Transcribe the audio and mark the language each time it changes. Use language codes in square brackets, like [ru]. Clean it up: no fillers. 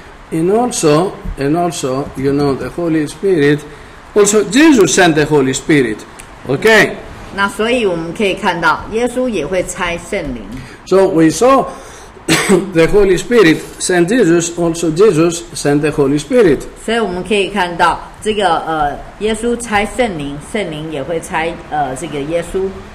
[en] And also, you know, the Holy Spirit, also Jesus sent the Holy Spirit. Okay. [zh] 那所以我们可以看到, 耶稣也会差圣灵。 [en] So we saw the Holy Spirit sent Jesus, also Jesus sent the Holy Spirit. [zh] 所以我们可以看到, 耶稣差圣灵, 圣灵也会差, 这个耶稣。